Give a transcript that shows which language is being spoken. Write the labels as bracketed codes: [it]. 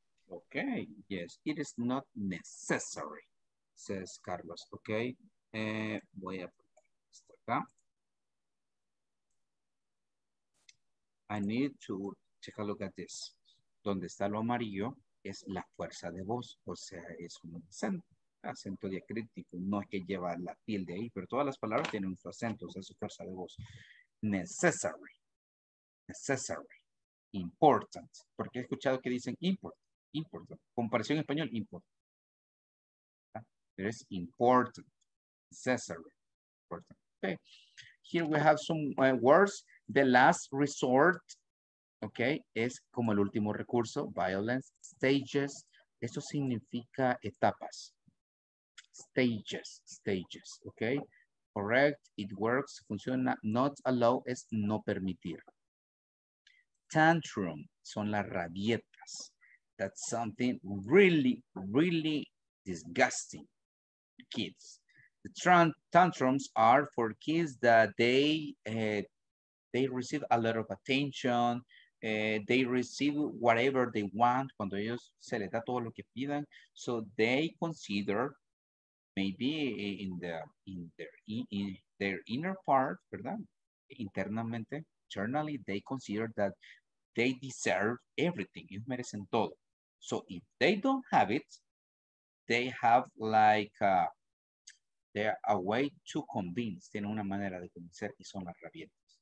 [en] Okay, yes, it is not necessary, says Carlos. [es] Okay, voy a put esto acá. [en] I need to take a look at this. [es] Donde está lo amarillo es la fuerza de voz, o sea, es un acento diacrítico, no es que lleva la tilde ahí, pero todas las palabras tienen su acento, o sea, su fuerza de voz. Necessary, necessary, important. Porque he escuchado que dicen important, important. Comparación en español, important. Pero es important, necessary, important. Okay. [en] Here we have some words. The last resort, okay, [es] es como el último recurso. Violence, stages. Eso significa etapas. [en] Stages, stages, okay. Correct, it works, funciona. [es] Not allow es no permitir. Tantrum, son las rabietas. [en] That's something really, really disgusting. Kids. The tantrums are for kids that they receive a lot of attention. They receive whatever they want. [es] Cuando ellos se les da todo lo que pidan. [en] So they consider maybe in their inner part, ¿verdad? Internamente, internally, they consider that they deserve everything. [es] Ellos merecen todo. [en] So if they don't have it, they have like they're a way to convince. [es] Tienen una manera de convencer y son las rabietas.